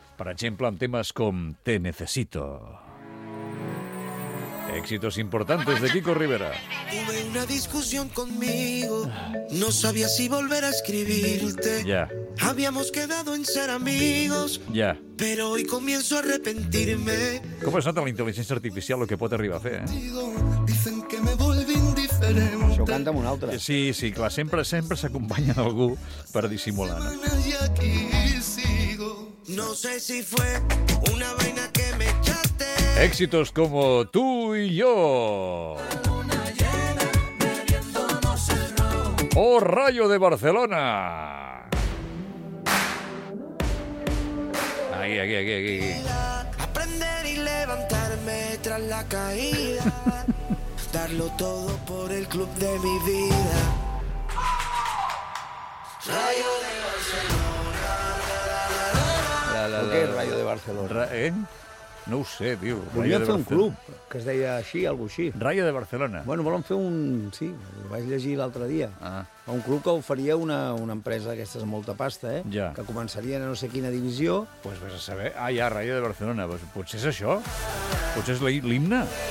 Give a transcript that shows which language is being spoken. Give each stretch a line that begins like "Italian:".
Catalan: Per exemple, amb temes com Te Necesito.
Spanish: Éxitos importantes de Kiko Rivera. Tuve una discusión conmigo. No sabía si volver a escribirte. Ya. Habíamos quedado en ser amigos. Ya. Pero hoy comienzo a arrepentirme. ¿Cómo
Catalan: es nota
Spanish: la inteligencia artificial lo que puede arribar a hacer, eh? Dicen que me volví indiferente.
Catalan: Això ho canta amb un altre. Sí, sí, clar, sempre s'acompanya d'algú per dissimular.
Spanish: Y aquí sigo. No sé si fue una vaina. Éxitos como Tú y yo. Luna llena, bebiéndonos el ron. O Rayo de Barcelona. Ahí, aquí, aquí, aquí. Aprender y levantarme tras la caída. Darlo todo por el club de mi vida. Rayo de Barcelona. ¿Qué es Rayo de Barcelona?
Catalan: No ho sé, tio. Volia fer un club, que es deia així, algo així. Rayo de Barcelona. Bueno, volen fer un... Sí, ho vaig llegir l'altre dia. Ah. Un club que oferia una empresa d'aquestes molta pasta, eh? Ja. Que començaria a no sé quina divisió. Pues vés a saber. Ah, ja, Rayo de Barcelona. Pues, potser és això. Potser és l'himne.